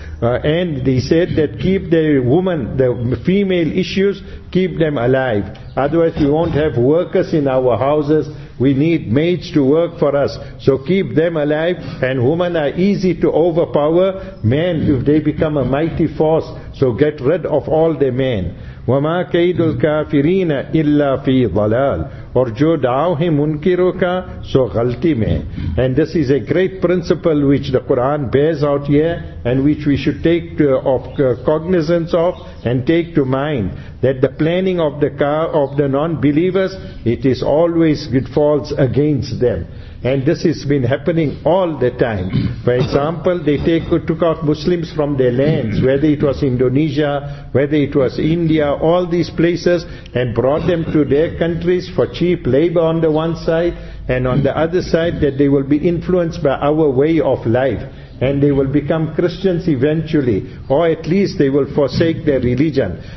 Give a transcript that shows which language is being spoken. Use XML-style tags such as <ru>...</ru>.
<en>And they said that keep the woman, the female issues, keep them alive. Otherwise we won't have workers in our houses. We need maids to work for us. So keep them alive. And women are easy to overpower. Men, if they become a mighty force, so get rid of all the men.</en> <ar>وَمَا كَيْدُ الْكَافِرِينَ إِلَّا فِي ضَلَالٍ</ar> <ur>اور جو دعاو ہیں منکروں کا سو غلطی میں.</ur> <en>And this is a great principle which the Quran bears out here, and which we should take of cognizance of and take to mind, that the planning of the non-believers, it is always, it falls against them. And this has been happening all the time. For example, they took out Muslims from their lands, whether it was Indonesia, whether it was India, all these places, and brought them to their countries for cheap labor on the one side, and on the other side that they will be influenced by our way of life, and they will become Christians eventually, or at least they will forsake their religion.</en>